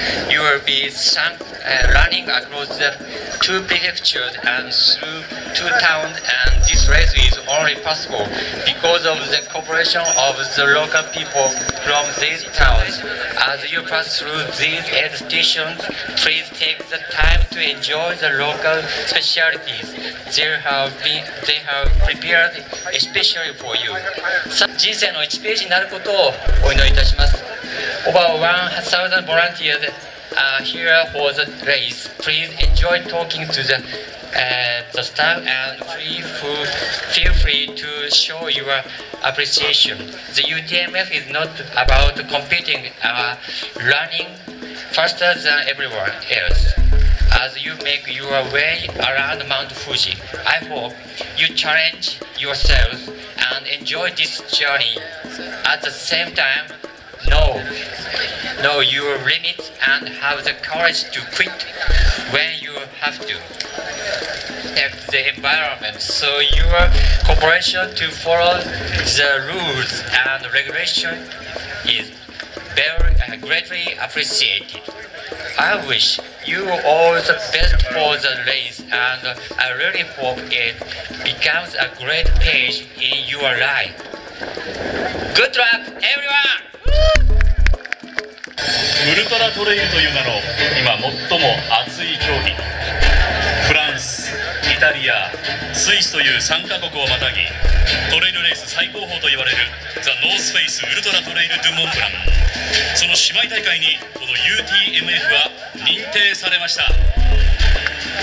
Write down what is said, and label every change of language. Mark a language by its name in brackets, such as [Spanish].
[English] You will be running across the two prefectures and through two towns, and this race is only possible because of the cooperation of the local people from these towns. As you pass through these aid stations, please take the time to enjoy the local specialties. They have prepared especially for you. [Japanese] 人生の1ページになることをお祈りいたします。 [English] Over 1,000 volunteers are here for the race. Please enjoy talking to the staff and feel free to show your appreciation. The UTMF is not about competing, running faster than everyone else. As you make your way around Mount Fuji, I hope you challenge yourselves and enjoy this journey. At the same time, know your limits and have the courage to quit when you have to. Protect the environment so your cooperation to follow the rules and regulations is greatly appreciated. I wish you all the best for the race and I really hope it becomes a great page in your life. Good luck, everyone! [Japanese] ウルトラトレインという名の今最も熱い競技、フランス、イタリア、スイスという3カ国をまたぎ、トレイルレース最高峰といわれるザ・ノースフェイスウルトラトレイル・ドゥ・モンブラン、その姉妹大会にこの UTMF は認定されました。